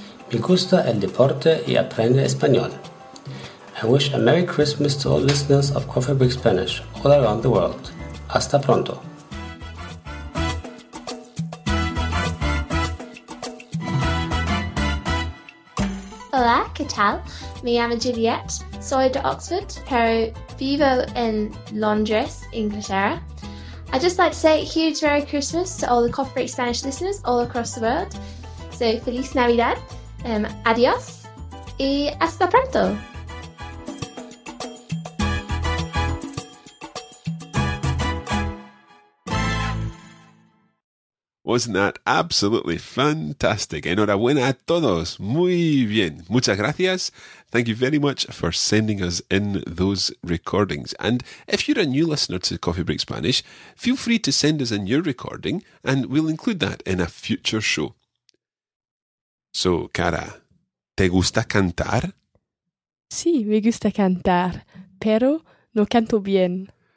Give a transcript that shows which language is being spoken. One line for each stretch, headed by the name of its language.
Spanish: Me gusta el deporte y aprende español.
English: I wish a Merry Christmas to all listeners of Coffee Break Spanish all around the world.
Spanish: Hasta pronto. Hola, ¿qué tal? Me llamo Juliet. Soy de Oxford, pero vivo en Londres, Inglaterra.
English: I'd just like to say a huge Merry Christmas to all the Coffee Break Spanish listeners all across the world.
Spanish: So, Feliz Navidad, adios, y hasta pronto.
English: Well, Wasn't that absolutely fantastic?
Spanish: Enhorabuena a todos. Muy bien. Muchas gracias.
English: Thank you very much for sending us in those recordings. And if you're a new listener to Coffee Break Spanish, feel free to send us in your recording and we'll include that in a future show. So,
Spanish: Cara, ¿te gusta cantar? Sí, me gusta cantar, pero no canto bien.